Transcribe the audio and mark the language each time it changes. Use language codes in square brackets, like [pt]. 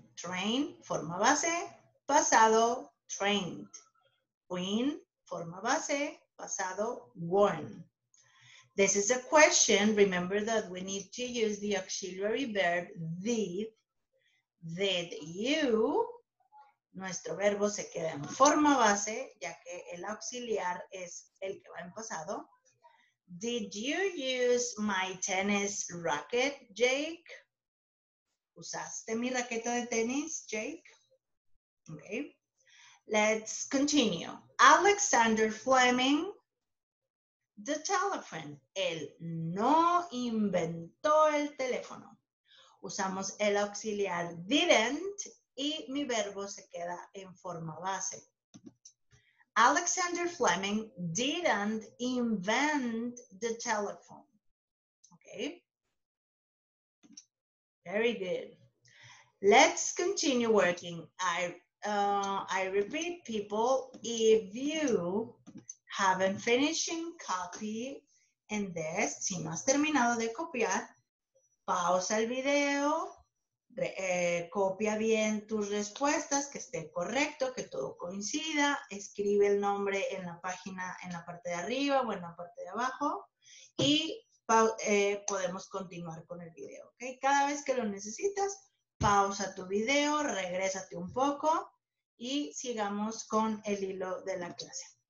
[es] Train, forma base, pasado, trained. Win, forma base, pasado, won. [en] This is a question. Remember that we need to use the auxiliary verb did. Did you? [es] Nuestro verbo se queda en forma base, ya que el auxiliar es el que va en pasado. [en] Did you use my tennis racket, Jake? [es] ¿Usaste mi raqueta de tenis, Jake? Okay. [en] Let's continue. Alexander Fleming, the telephone. [es] Él no inventó el teléfono. Usamos el auxiliar didn't. Y mi verbo se queda en forma base. [en] Alexander Fleming didn't invent the telephone. Okay. Very good. Let's continue working. I repeat, people, if you haven't finished copy in this, [es] si no has terminado de copiar, pausa el video. Copia bien tus respuestas, que esté correcto, que todo coincida. Escribe el nombre en la página, en la parte de arriba o en la parte de abajo. Y podemos continuar con el video, ¿okay? Cada vez que lo necesitas, pausa tu video, regrésate un poco y sigamos con el hilo de la clase.